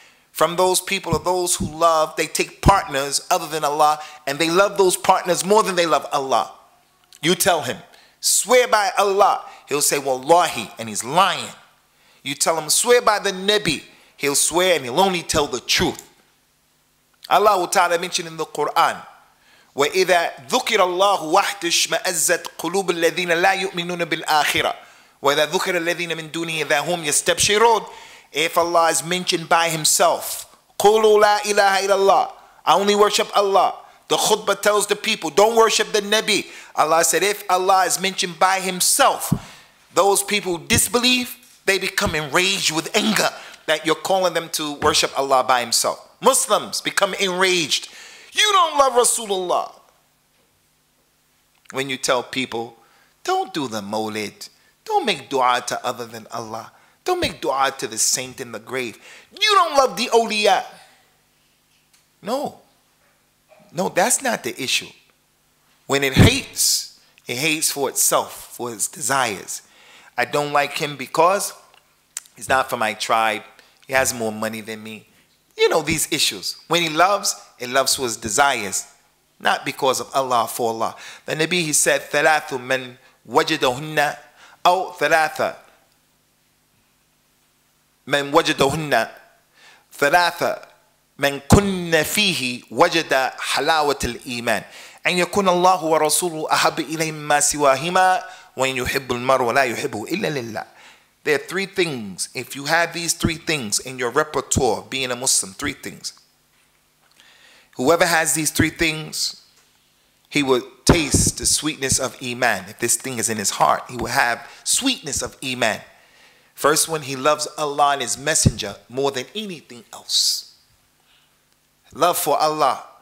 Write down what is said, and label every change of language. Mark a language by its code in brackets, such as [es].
[en] From those people are those who love, they take partners other than Allah, and they love those partners more than they love Allah. You tell him, swear by Allah, he'll say, Wallahi, and he's lying. You tell him, swear by the Nabi, he'll swear and he'll only tell the truth. Allah Ta'ala mentioned in the Quran, [ar] وَإِذَا ذُكِرَ اللَّهُ وَحْدَهُ اشْمَأَزَّتْ قُلُوبُ الَّذِينَ لَا يُؤْمِنُونَ بِالْآخِرَةِ وَإِذَا ذُكِرَ الَّذِينَ مِنْ دُونِهِ إِذَا هُمْ يَسْتَبْشِرُونَ. [en] If Allah is mentioned by himself, [ar] قُلُوا لَا إِلَهَ إِلَى اللَّهِ, [en] I only worship Allah. The khutbah tells the people, don't worship the Nabi. Allah said, if Allah is mentioned by himself, those people disbelieve, they become enraged with anger that you're calling them to worship Allah by himself. Muslims become enraged. You don't love Rasulullah. When you tell people, don't do the mawlid. Don't make dua to other than Allah. Don't make dua to the saint in the grave. You don't love the awliya. No. No, that's not the issue. When it hates for itself, for its desires. I don't like him because he's not from my tribe. He has more money than me. You know these issues. When he loves, it loves for his desires, not because of Allah for Allah. The Nabi, he said, [ar] ثَلَاثُ مَنْ وَجَدَهُنَّ أَوْ ثَلَاثَ مَنْ وَجَدَهُنَّ ثَلَاثَ مَنْ كُنَّ فِيهِ وَجَدَ حَلَاوَةَ الْإِيمَانِ أَنْ يَكُنَ اللَّهُ وَرَسُولُهُ أَحَبِّ إِلَيْمَا سِوَاهِمَا وَإِنْ يُحِبُّ الْمَرْ وَلَا يُحِبُّهُ إِلَّا لِلَّهِ. [en] There are three things. If you have these three things in your repertoire, being a Muslim, three things. Whoever has these three things, he will taste the sweetness of Iman. If this thing is in his heart, he will have sweetness of Iman. First one, he loves Allah and his messenger more than anything else. Love for Allah.